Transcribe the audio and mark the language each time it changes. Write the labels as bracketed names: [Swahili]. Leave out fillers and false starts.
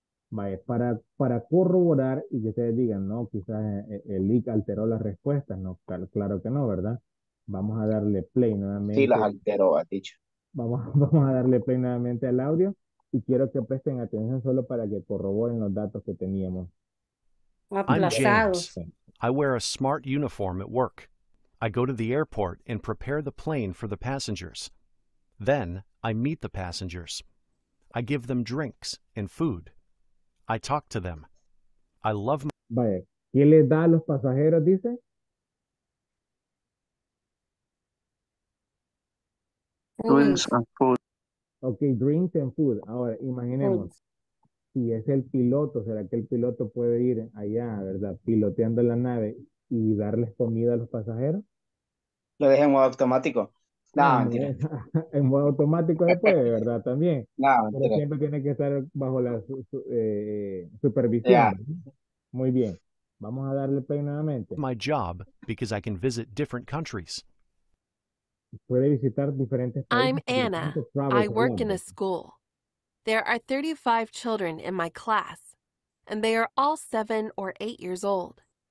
[Spanish] Vaya, para corroborar y que ustedes digan, no, quizás el leak alteró las respuestas, no, claro que no, ¿verdad? Vamos a darle play nuevamente. Sí, las alteró, ha dicho. Vamos a darle play nuevamente al audio y quiero que presten atención solo para que corroboren los datos que teníamos. [English] I'm James. I wear a smart uniform at work. I go to the airport and prepare the plane for the passengers. Then I meet the passengers. I give them drinks and food. I talk to them. I love my... [Spanish] Vaya, ¿qué le da a los pasajeros, dice? [English] Drinks and food. Ok, drinks and food. [Spanish] Ahora, imaginemos. [English] Food. [Spanish] Si es el piloto, ¿será que el piloto puede ir allá, verdad, piloteando la nave y darles comida a los pasajeros? Lo dejé en modo automático. No, mentira. En modo automático se puede, ¿verdad? También. No, pero siempre tiene que estar bajo la supervisión. Yeah. Muy bien. Vamos a darle play nuevamente. [English] My job, because I can visit different countries. [Spanish] Puede visitar diferentes países. [English] I'm Anna. I work in a school. There are 35 children in my class, and they are all 7 or 8 years old.